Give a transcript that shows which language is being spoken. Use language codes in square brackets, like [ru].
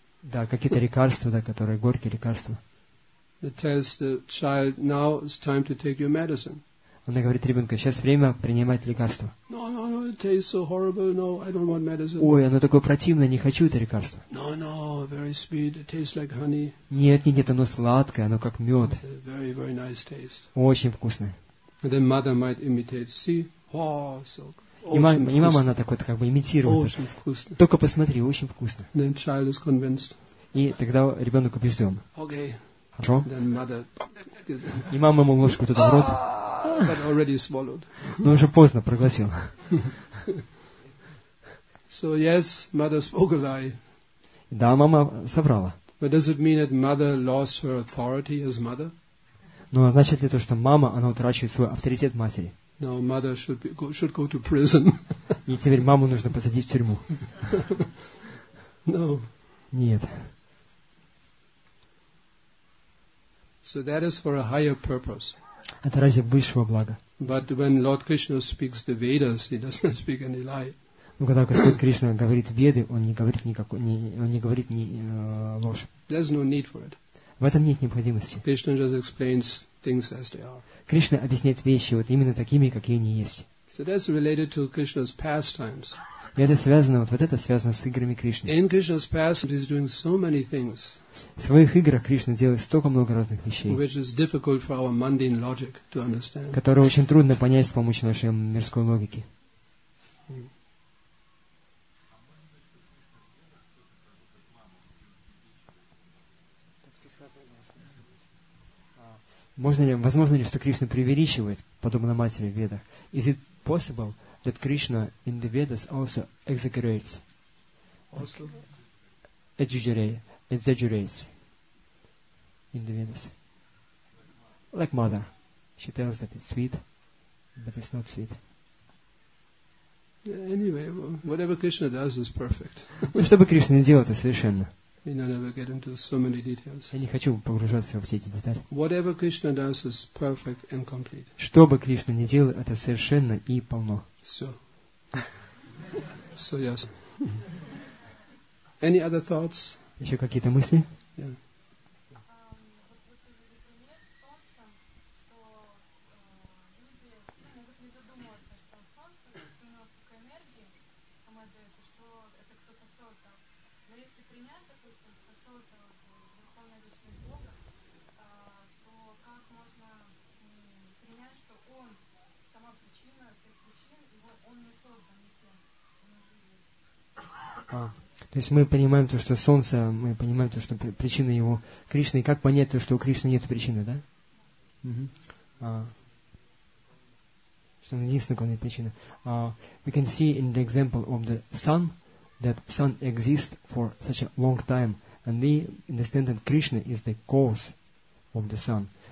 [ru] Да, какие-то лекарства, да, которые горькие лекарства. [en] It tells the child, now it's time to take your medicine. [ru] Она говорит ребенку, сейчас время принимать лекарства. [en] No, it tastes so horrible. No, I don't want medicine. [ru] Ой, оно такое противное, не хочу это лекарство. [en] No, very sweet. It tastes like honey. [ru] Нет, оно сладкое, оно как мед. [en] Very, very nice taste. [ru] Очень вкусное. [en] And then mother might imitate. See, wow, so. [ru] И мама, она так вот как бы имитирует. Очень вкусно. Только посмотри, очень вкусно. [en] Then child is convinced. [ru] И тогда ребенок убежден. [en] Okay. [ru] Хорошо? [en] Then mother... [ru] И мама ему ложку туда в рот. [en] But already swallowed. [ru] Но уже поздно проглотил. [en] So, yes, mother spoke a lie. [ru] Да, мама соврала. [en] But does it mean that mother lost her authority as mother? [ru] Но значит ли то, что мама, она утрачивает свой авторитет матери? [en] Now mother should go to prison. [ru] И теперь маму нужно посадить в тюрьму. [en] No. [ru] Нет. [en] So that is for a higher purpose. [ru] Это ради высшего блага. [en] But when Lord Krishna speaks the Vedas, he does not speak any lie. [ru] Но когда Господь Кришна говорит Веды, он не говорит ложь. [en] There's no need for it. [ru] В этом нет необходимости. [en] Krishna just explains things as they are. [ru] Кришна объясняет вещи вот именно такими, какие они есть. [en] So that's related to Krishna's pastimes. [ru] И это связано, вот это связано с играми Кришны. [en] In Krishna's pastimes, he's doing so many things. [ru] В своих играх Кришна делает столько много разных вещей, [en] which is difficult for our mundane logic to understand. [ru] Которые очень трудно понять с помощью нашей мирской логики. Возможно ли, что Кришна преувеличивает, подобно матери в Ведах? [en] Is it possible that Krishna in the Vedas also exaggerates? Also? Exaggerates in the Vedas. Like mother. She tells that it's sweet, but it's not sweet. Anyway, whatever Krishna does is perfect. [ru] Ну, что бы Кришна не делал, это совершенно. [en] You know, never get into so many details. [ru] Я не хочу погружаться во все эти детали. [en] Whatever Krishna does is perfect and complete. [ru] Что бы Кришна ни делал, это совершенно и полно. Все. [en] So yes. Any other thoughts? [ru] Еще какие-то мысли? Yeah. То есть мы понимаем то, что солнце, мы понимаем то, что причина его Кришна. И как понять то, что у Кришны нет причины, да? Uh-huh. Что он единственный, у него нет причины. [en] We can see in the example of the sun, that sun exists for such a long time. And we understand that Krishna is the cause of the sun.